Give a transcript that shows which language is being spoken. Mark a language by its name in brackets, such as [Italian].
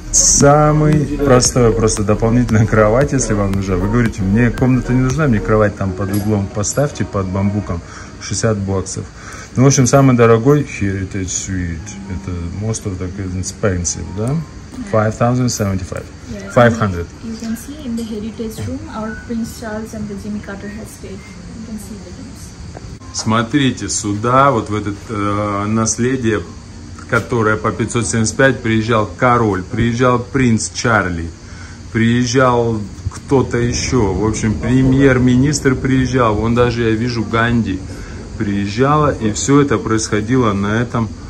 [Russian] Самый простой, просто дополнительная кровать, если вам нужна. Вы говорите, мне комната не нужна, мне кровать там под углом поставьте, под бамбуком, 60 баксов. Ну, в общем, самый дорогой heritage suite, это [English] most of the expensive, [Russian] да? 5,075. 500. [English] You can see in the heritage room our Prince Charles and the Jimmy Carter had stayed. You can see the rooms. [Russian] Смотрите сюда, вот в этот наследие, которое по 575 приезжал король, приезжал принц Чарли, приезжал кто-то еще. В общем, премьер-министр приезжал, вон даже я вижу Ганди приезжала, и все это происходило на этом.